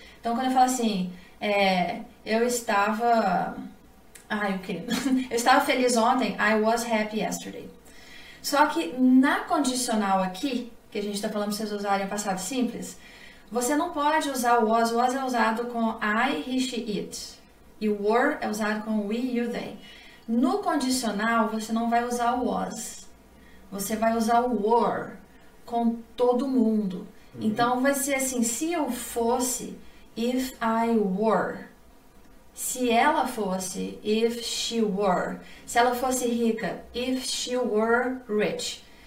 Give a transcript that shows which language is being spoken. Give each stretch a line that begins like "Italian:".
Portuguese: Então, quando eu falo assim, eu estava... Ai, o quê? Eu estava feliz ontem,
English: I was happy yesterday.
Portuguese: Só que na condicional aqui, que a gente está falando para vocês usarem o passado simples, você não pode usar o was é usado com I, he, she, it. E o were é usado com we, you, they. No condicional, você não vai usar o was. Você vai usar o were com todo mundo. Então vai ser assim, se eu fosse,
English: if I were.
Portuguese: Se ela fosse,
English: if she were.
Portuguese: Se ela fosse rica,
English: if she were rich.